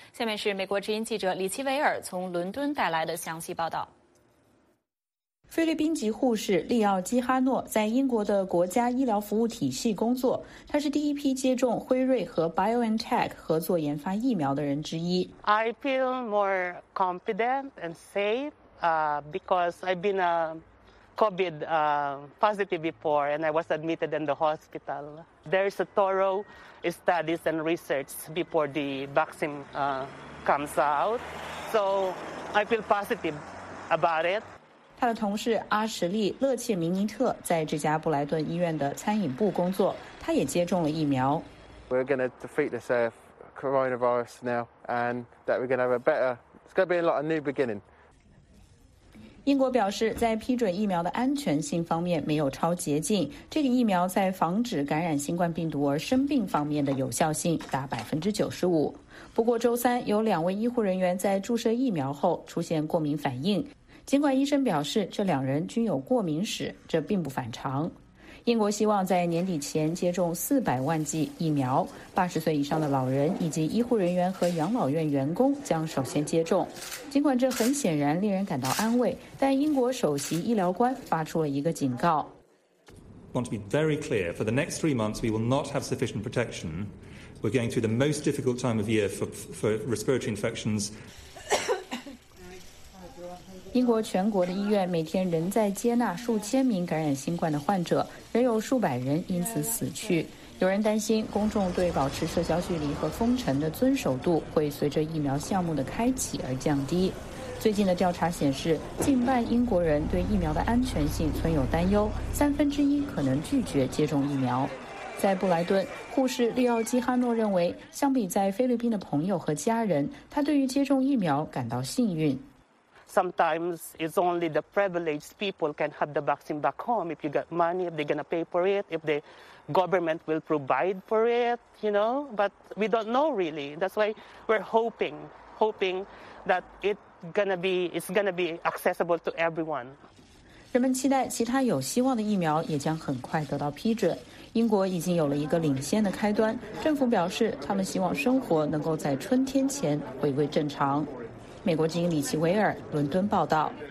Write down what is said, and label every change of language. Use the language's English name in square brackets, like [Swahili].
[Chinese] 下面是美国之音记者李奇维尔从伦敦带来的详细报道。菲律宾籍护士利奥基哈诺在英国的国家医疗服务体系工作，他是第一批接种辉瑞和 BioNTech 合作研发疫苗的人之一。 [English] I feel more confident and safe, because I've been a COVID, positive before and I was admitted in the hospital. There is a thorough studies and research before the vaccine, comes out. So I feel positive about it. [Chinese] 他的同事阿什利·勒切明尼特在这家布莱顿医院的餐饮部工作，他也接种了疫苗。 [English] We're going to defeat this coronavirus now, and that we're going to have a better. It's going to be a lot of new beginning. [Chinese] 英国表示，在批准疫苗的安全性方面没有超捷径，这个疫苗在防止感染新冠病毒而生病方面的有效性达95%。不过，周三有两位医护人员在注射疫苗后出现过敏反应。尽管医生表示这两人均有过敏史，这并不反常。英国希望在年底前接种400万剂疫苗，80岁以上的老人以及医护人员和养老院员工将首先接种。尽管这很显然令人感到安慰，但英国首席医疗官发出了一个警告。 [English] I want to be very clear, for the next 3 months we will not have sufficient protection. We're going through the most difficult time of year for respiratory infections. [Chinese] 英国全国的医院每天仍在接纳数千名感染新冠的患者，仍有数百人因此死去。有人担心公众对保持社交距离和封城的遵守度会随着疫苗项目的开启而降低。最近的调查显示，近半英国人对疫苗的安全性存有担忧，1/3可能拒绝接种疫苗。在布莱顿，护士利奥基哈诺认为，相比在菲律宾的朋友和家人，他对于接种疫苗感到幸运。 [English] Sometimes it's only the privileged people can have the vaccine back home. If you got money, if they're going to pay for it, if the government will provide for it, you know, but we don't know really. That's why we're hoping that it it's going to be accessible to everyone. [Chinese] 人们期待其他有希望的疫苗也将很快得到批准。英国已经有了一个领先的开端，政府表示他们希望生活能够在春天前回归正常。美国之音李奇维尔伦敦报道。